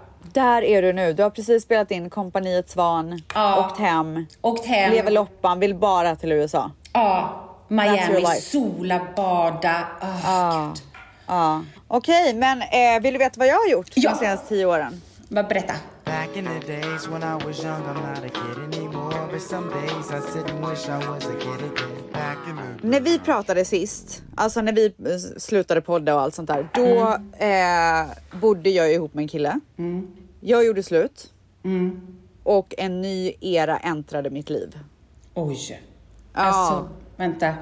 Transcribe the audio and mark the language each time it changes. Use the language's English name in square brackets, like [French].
[Swedish] Där är du nu. Du har precis spelat in Kompaniet Svan. Ja. Åkt hem. Lever loppan, vill bara till USA. Ja, Miami, sola, bada. Oh, ja. Ja. Okej, men vill du veta vad jag har gjort de senaste 10 åren? Bara berätta. [English] Back in the days when I was young, I'm not a kid anymore. But some days I sit and wish I was a kid again. [Swedish] När vi pratade sist, alltså när vi slutade podda och allt sånt där, då bodde jag ihop med en kille. Mm. Jag gjorde slut. Mm. Och en ny era äntrade mitt liv. Oj. Alltså, vänta.